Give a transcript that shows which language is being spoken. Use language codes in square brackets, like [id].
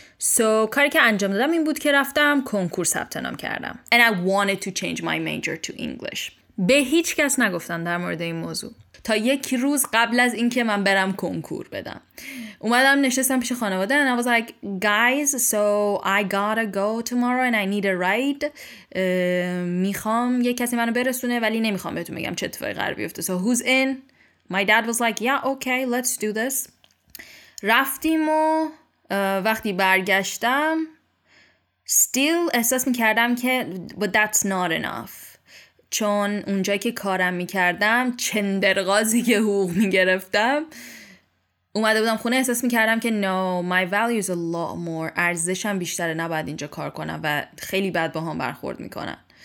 [fa] So کاری که انجام دادم این بود که رفتم کنکور ثبت نام کردم. [en] And I wanted to change my major to English. [fa] به هیچ کس نگفتم در مورد این موضوع تا یک روز قبل از اینکه من برم کنکور بدم. اومدم نشستم پیش خانواده [en] and I was like guys so I gotta go tomorrow and I need a ride. [fa] میخوام یک کسی منو برسونه ولی نمیخوام بهتون بگم چه اتفاقی قرار بیفته. [en] So who's in? My dad was like yeah okay let's do this. [fa] رفتیم و وقتی برگشتم [en] still [fa] احساس میکردم که [en] but that's not enough. [fa] چون اونجایی که کارم میکردم چندرغازی که حقوق میگرفتم، اومده بودم خونه احساس میکردم که [en] no my value is a lot more، [fa] ارزشم بیشتره، نباید اینجا کار کنم و خیلی بد با هم برخورد میکنن.